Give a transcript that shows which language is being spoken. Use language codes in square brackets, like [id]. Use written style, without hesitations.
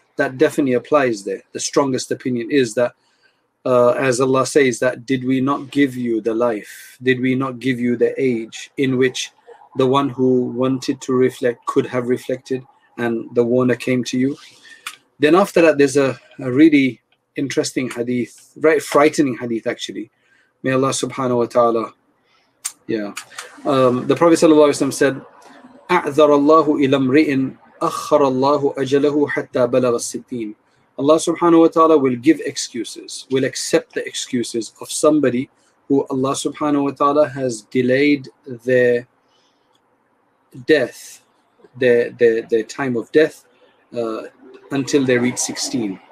[en] That definitely applies there. The strongest opinion is that, as Allah says, that did we not give you the life? Did we not give you the age in which the one who wanted to reflect could have reflected and the warner came to you? Then after that, there's a really interesting hadith, very frightening hadith actually. May Allah subhanahu wa ta'ala, yeah. The Prophet sallallahu alayhi wa sallam said, [ar] أَعْذَرَ اللَّهُ إِلَى امْرِئٍ أَخَّرَ اللَّهُ أَجَلَهُ حَتَّى بَلَغَ السِّتِينَ. [en] Allah subhanahu wa ta'ala will give excuses, will accept the excuses of somebody who Allah subhanahu wa ta'ala has delayed their death, their time of death, until they reach 60.